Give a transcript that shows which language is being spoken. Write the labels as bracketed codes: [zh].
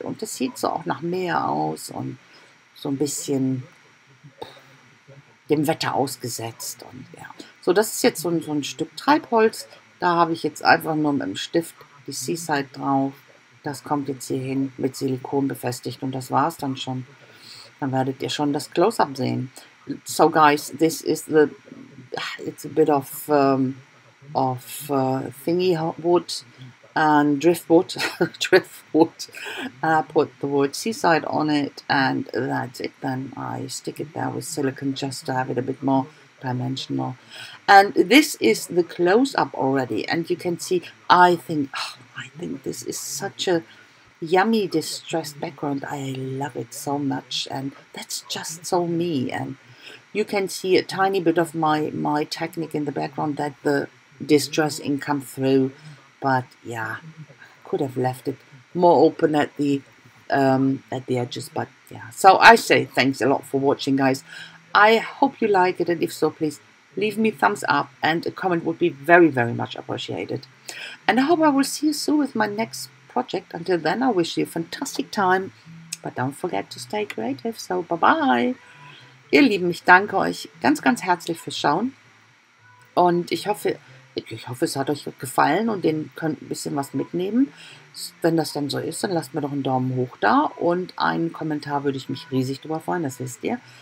[de] Und das sieht so auch nach Meer aus und so ein bisschen dem Wetter ausgesetzt. Und ja. So, das ist jetzt so ein Stück Treibholz. Da habe ich jetzt einfach nur mit dem Stift die Seaside drauf. Das kommt jetzt hier hin, mit Silikon befestigt. Und das war es dann schon. Dann werdet ihr schon das Close-Up sehen. [en] So, guys, this is the... It's a bit of thingy wood and driftwood. Driftwood. And I put the word Seaside on it. And that's it. Then I stick it there with silicone just to have it a bit more dimensional. And this is the close-up already, and you can see, I think this is such a yummy distressed background. I love it so much, and that's just so me. And you can see a tiny bit of my technique in the background, that the distress ink come through. But yeah, could have left it more open at the edges, but yeah. So I say thanks a lot for watching, guys. I hope you like it, and if so, please leave me a thumbs up, and a comment would be very, very much appreciated. And I hope I will see you soon with my next project. Until then, I wish you a fantastic time, but don't forget to stay creative. So, bye-bye. [de] Ihr Lieben, ich danke euch ganz, ganz herzlich fürs Schauen. Und ich hoffe, es hat euch gefallen und ihr könnt ein bisschen was mitnehmen. Wenn das dann so ist, dann lasst mir doch einen Daumen hoch da und einen Kommentar würde ich mich riesig drüber freuen, das wisst ihr.